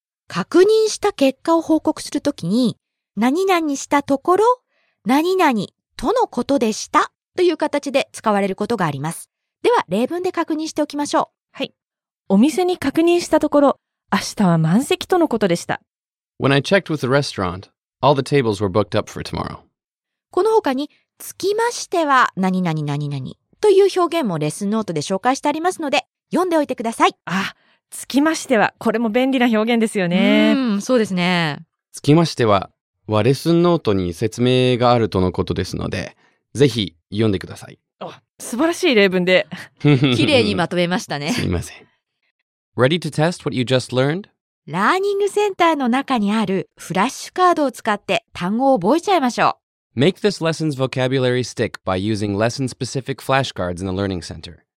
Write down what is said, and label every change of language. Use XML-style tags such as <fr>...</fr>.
<ja>確認した結果を報告するときに、何々したところ、何々とのことでしたという形で使われることがあります。では、例文で確認しておきましょう。はい。お店に確認したところ、明日は満席とのことでした。</ja> <en>When I checked with the restaurant, all the tables were booked up for tomorrow.</en> <ja>この他に、つきましては何々何々という表現もレッスンノートで紹介してありますので、読んでおいてください。ああ。つきましては、これも便利な表現ですよね。そうですね。つきましては、はレッスンノートに説明があるとのことですので、ぜひ読んでください。素晴らしい例文で。きれいにまとめましたね。すみません。</ja> <en>Ready to test what you just learned?</en> <ja>ラーニングセンターの中にあるフラッシュカードを使って単語を覚えちゃいましょう。</ja> <en>Make this lesson's vocabulary stick by using lesson-specific flashcards in the learning center.</en>